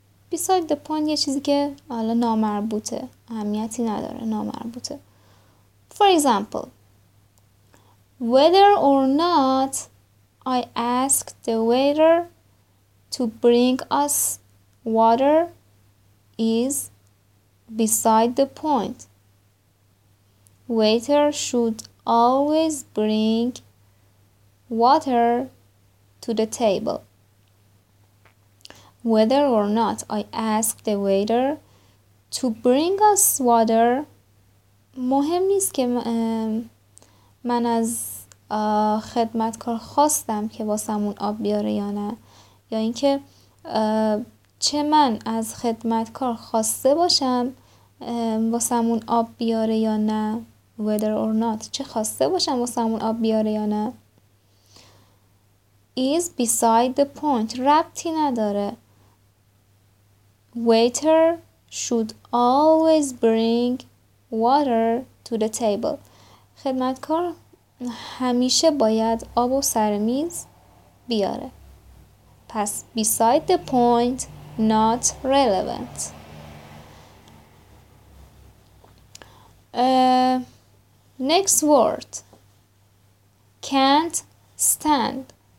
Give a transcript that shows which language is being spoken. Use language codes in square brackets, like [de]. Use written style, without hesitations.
[en] Beside the point [fa] یه چیزی که حالا نامربوطه، اهمیتی نداره، نامربوطه. [en] For example, whether or not I asked the waiter to bring us water is beside the point. Waiter should always bring water to the table. Whether or not I ask the waiter to bring us water, [fa] مهم نیست که من از خدمتکار خواستم که واسمون آب بیاره یا نه، یا اینکه چه من از خدمتکار خواسته باشم واسمون آب بیاره یا نه. [en] Whether or not [fa] چه خواسته باشم واسمون آب بیاره یا نه [en] is beside the point، [fa] ربطی نداره. [en] Waiter should always bring water to the table. [fa] خدمتکار همیشه باید آب و سر میز بیاره. پس [en] beside the point not relevant. Next word. Can't stand.